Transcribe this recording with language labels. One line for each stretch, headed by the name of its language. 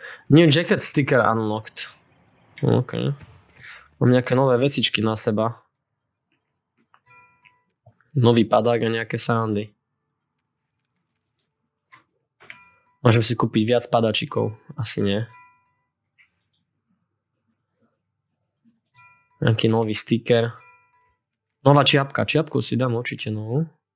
English: New jacket sticker unlocked. OK.
Slovak: Mám nejaké nové vecičky na seba. Nový padák a nejaké sandy. Môžem si kúpiť viac padačikov, asi nie. Nejaký nový sticker. Nová čiapka. Čiapku si dám určite novú.